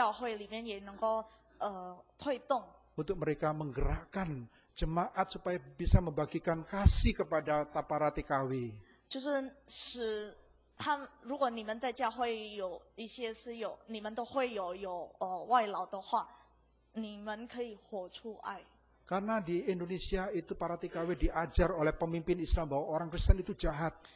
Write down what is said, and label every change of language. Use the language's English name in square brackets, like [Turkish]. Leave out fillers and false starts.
[Chinese] 所以我希望你们到教会里面也能够推动。 [Indonesian] Untuk mereka menggerakkan jemaat supaya bisa membagikan kasih kepada para TKW. [Chinese] 就是使 他们如果你们在教会有一些是有你们都会有外劳的话，你们可以活出爱。 [Indonesian] Karena di Indonesia itu para TKW diajar oleh pemimpin Islam bahwa orang Kristen itu jahat.